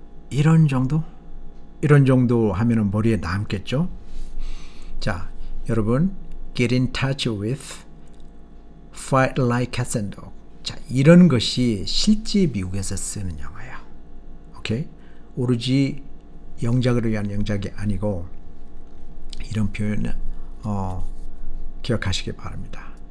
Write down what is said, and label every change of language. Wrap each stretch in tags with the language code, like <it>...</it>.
<ko>이런 정도? 이런 정도 하면은 머리에 남겠죠? 자, 여러분,</ko> <en>get in touch with, fight like cats and dogs.</en> <ko>자, 이런 것이 실제 미국에서 쓰는 영어예요. 오케이? 오로지 영작을 위한 영작이 아니고 이런 표현을 기억하시기 바랍니다.</ko>